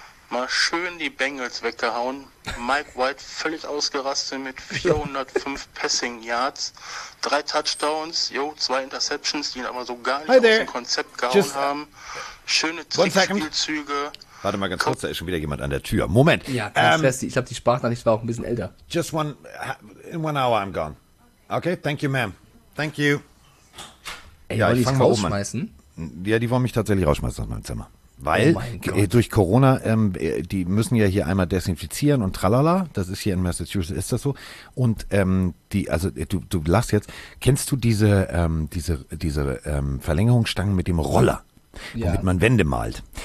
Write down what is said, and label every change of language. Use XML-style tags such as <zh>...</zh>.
<de>Mal schön die Bengals weggehauen. Mike White völlig ausgerastet mit 405 Passing Yards. 3 Touchdowns, yo, 2 Interceptions, die ihn aber so gar nicht aus dem Konzept gehauen haben. Schöne Trickspielzüge. Warte mal ganz kurz, da ist schon wieder jemand an der Tür. Moment. Ja, ich glaube, die Sprachnachricht war auch ein bisschen älter.</de> <en>Just one, in one hour I'm gone. Okay, thank you, ma'am. Thank you.</en> <de>Ey, ja, wollen ich fang mal um. Ja, die wollen mich tatsächlich rausschmeißen aus meinem Zimmer. Weil durch Corona, die müssen ja hier einmal desinfizieren und tralala, das ist hier in Massachusetts, ist das so. Und du lachst jetzt, kennst du diese Verlängerungsstangen mit dem Roller, womit man Wände malt?</de>